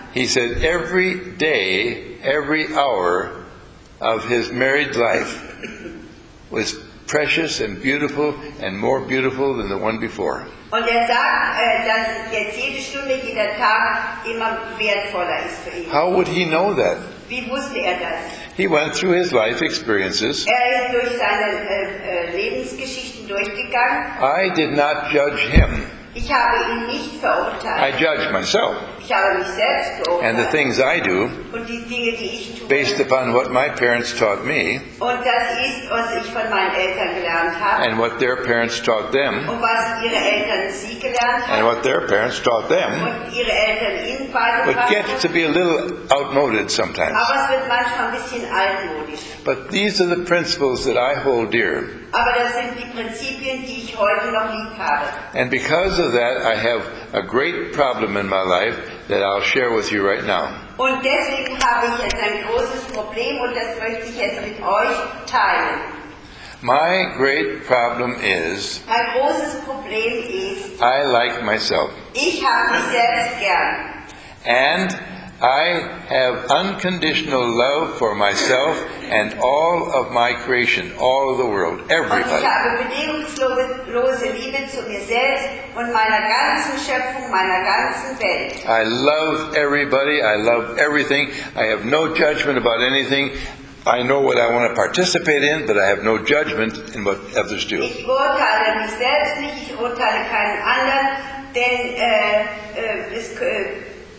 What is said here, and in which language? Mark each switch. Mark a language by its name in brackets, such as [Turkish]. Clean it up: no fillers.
[English] He said, every day, every hour of his married life was precious and beautiful and more beautiful than the one before. [German] Und er sagt, dass jetzt jede Stunde, jeder Tag immer wertvoller ist für ihn. [English] How would he know that? [German] Wie wusste er das? [English] He went through his life experiences. [German] Er ist durch seine Lebensgeschichten durchgegangen. [English] I did not judge him. [German] Ich habe ihn nicht verurteilt. [English] I judge myself. [German] Ich habe mich selbst verurteilt. [English] And the things I do, [German] und die Dinge, die ich tue, [English] based upon what my parents taught me, [German] und das ist, was ich von meinen Eltern gelernt habe, [English] and what their parents taught them, [German] und was ihre Eltern sie gelernt haben, [English] and what their parents taught them, [German] und ihre Eltern ihnen beigebracht, [English] but gets to be a little outmoded sometimes. [German] Aber es wird manchmal ein bisschen altmodisch. [English] But these are the principles that I hold dear. [German] Aber das sind die Prinzipien, die ich heute noch lieb habe. [English] And because of that, I have a great problem in my life that I'll share with you right now. [German] Und deswegen habe ich jetzt ein großes Problem und das möchte ich jetzt mit euch teilen. [English] My great problem is, [German] mein großes Problem ist, [English] I like myself. [German] Ich habe mich selbst gern. [English] And I have unconditional love for myself and all of my creation, all of the world, everybody. [German] Und ich habe bedingungslose Liebe zu mir selbst und meiner ganzen Schöpfung, meiner ganzen Welt. [English] I love everybody, I love everything. I have no judgment about anything. I know what I want to participate in, but I have no judgment in what others do. [German] Ich urteile mich selbst nicht, ich urteile keinen anderen, denn